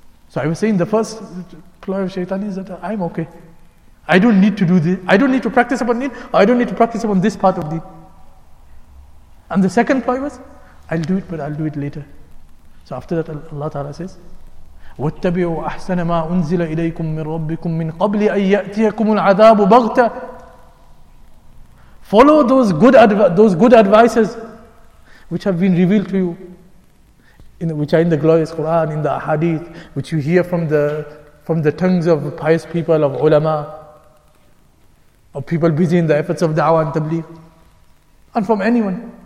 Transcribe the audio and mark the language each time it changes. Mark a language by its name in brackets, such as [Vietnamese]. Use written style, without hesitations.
[English] So I was saying the first ploy of shaitan is that I'm okay. I don't need to do this. I don't need to practice upon deen. I don't need to practice upon this part of deen. And the second ploy was, I'll do it, but I'll do it later. So after that, Allah Ta'ala says, [Arabic] وَاتَّبِعُوا أَحْسَنَ مَا أُنزِلَ إِلَيْكُم مِّن رَبِّكُم مِّن قَبْلِ أَن يَأْتِيَكُمُ الْعَذَابُ بَغْتَ. [English] Follow those good advices which have been revealed to you, which are in the glorious Quran, in the ahadith, which you hear from the tongues of pious people, of ulama, of people busy in the efforts of da'wah and tabligh, and from anyone.